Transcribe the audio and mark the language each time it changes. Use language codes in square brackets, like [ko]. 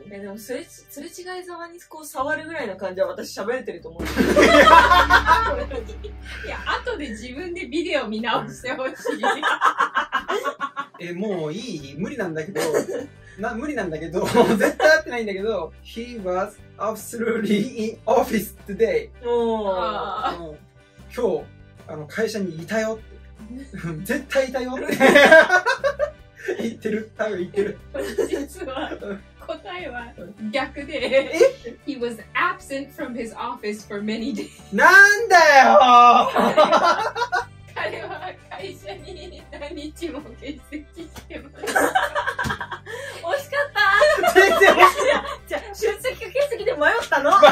[ja] いやでもすれ違いざまにこう触るぐらいの感じは私喋れてると思う。いや後で自分でビデオ見直してほしい。え、もういい、無理なんだけど。無理なんだけど、絶対合ってないんだけど。 [en] He was absolutely in office today。 [ja] もう今日あの会社にいたよって。絶対いたよって。言ってる、多分言ってる。実は答えは逆で、 [en] He was absent from his office for many days。 [ja] なんだよ。彼は会社に何日も欠席してます。惜しかった。全然惜しかった。出席か欠席で迷ったの。